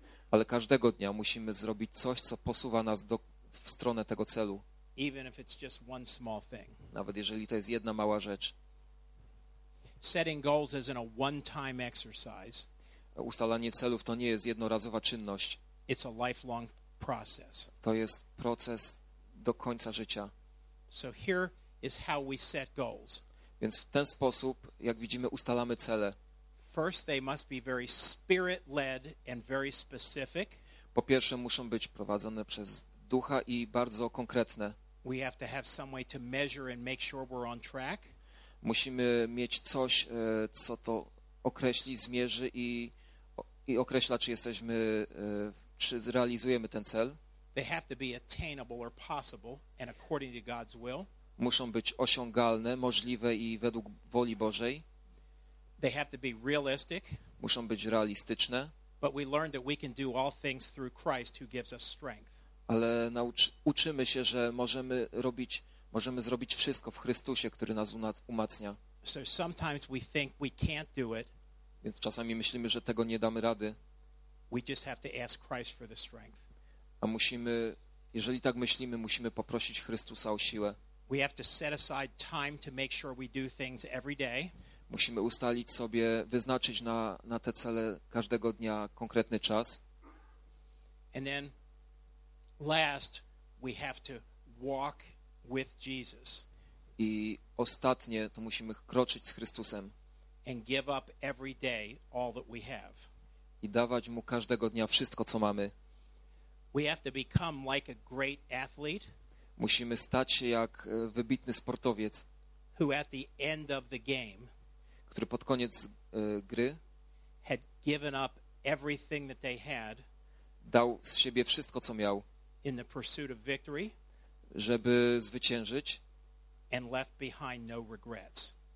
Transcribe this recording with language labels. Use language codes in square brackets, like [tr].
[pl] Ale każdego dnia musimy zrobić coś, co posuwa nas w stronę tego celu. [en] Even if it's just one small thing. [pl] Nawet jeżeli to jest jedna mała rzecz. [en] Setting goals isn't a one-time exercise. [pl] Ustalanie celów to nie jest jednorazowa czynność. [en] It's a lifelong process. [pl] To jest proces do końca życia. [en] So here is how we set goals. [pl] Więc w ten sposób, jak widzimy, ustalamy cele. [en] First, they must be very spirit-led and very specific. [pl] Po pierwsze, muszą być prowadzone przez Ducha i bardzo konkretne. [en] We have to have some way to measure and make sure we're on track. [pl] Musimy mieć coś, co to określi, zmierzy i określa, czy jesteśmy, czy zrealizujemy ten cel. [en] They have to be attainable or possible and according to God's will. [pl] Muszą być osiągalne, możliwe i według woli Bożej. [en] They have to be realistic. [pl] Muszą być realistyczne. [en] But we learned that we can do all things through Christ who gives us strength. [pl] Ale uczymy się, że możemy zrobić wszystko w Chrystusie, który nas umacnia. [en] So sometimes we think we can't do it. [pl] Więc czasami myślimy, że tego nie damy rady. [en] We just have to ask Christ for the strength. [pl] A musimy, jeżeli tak myślimy, musimy poprosić Chrystusa o siłę. [en] We have to set aside time to make sure we do things every day. [pl] Musimy ustalić sobie, wyznaczyć na te cele każdego dnia konkretny czas. [en] And then last, we have to walk with Jesus. [pl] I ostatnie to musimy kroczyć z Chrystusem. [en] And give up every day all that we have. [pl] I dawać mu każdego dnia wszystko, co mamy. [en] We have to become like a great athlete. [pl] Musimy stać się jak wybitny sportowiec, [en] who at the end of the game, [pl] który pod koniec gry [en] had given up everything that they had, [pl] dał z siebie wszystko, co miał, [en] in the pursuit of victory, [pl] żeby zwyciężyć, [en] and left behind no regrets.